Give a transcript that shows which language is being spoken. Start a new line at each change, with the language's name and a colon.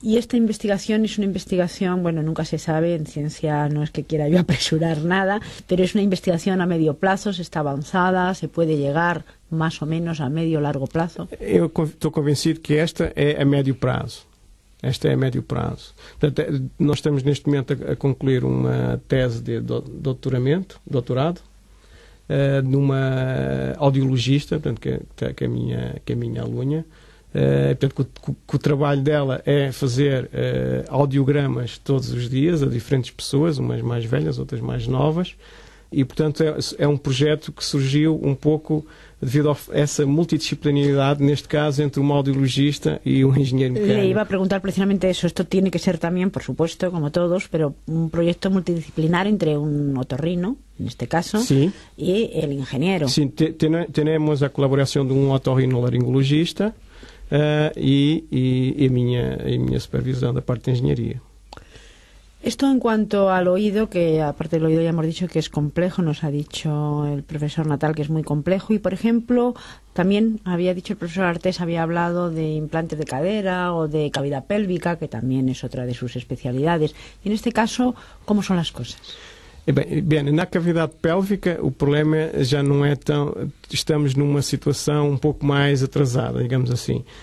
Spanish: Y esta investigación es una investigación, bueno, nunca se sabe, en ciencia no es que quiera yo apresurar nada, pero es una investigación a medio plazo, se está avanzada, se puede llegar más o menos a medio largo plazo. Yo estoy convencido que esta es a medio plazo.
Portuguese: Esta é a médio prazo. Portanto, nós estamos neste momento a concluir uma tese de doutorado numa audiologista, portanto, que é a minha aluna. Portanto, que o trabalho dela é fazer audiogramas todos os dias a diferentes pessoas, umas mais velhas, outras mais novas. E, portanto, é um projeto que surgiu um pouco devido a essa multidisciplinaridade, neste caso, entre um audiologista e um engenheiro mecânico.
Spanish: Le iba a
Portuguese: perguntar precisamente isso. Isto tem que ser também,
Spanish: por supuesto,
Portuguese: como todos, mas um projeto multidisciplinar entre um otorrino, neste caso, e o engenheiro. Sim, temos a colaboração de um otorrinolaringologista e a minha supervisão da parte de engenharia.
Spanish: Esto en cuanto al oído, que aparte del oído ya hemos dicho que es complejo, nos ha dicho el profesor Natal que es muy complejo. Y, por ejemplo, también había dicho el profesor Artés, había hablado de implantes de cadera o de cavidad pélvica, que también es otra de sus especialidades. Y en este caso, ¿cómo son las cosas?
Portuguese: Bem, na cavidade pélvica o problema já não é tão... Estamos numa situação um pouco mais atrasada, digamos assim.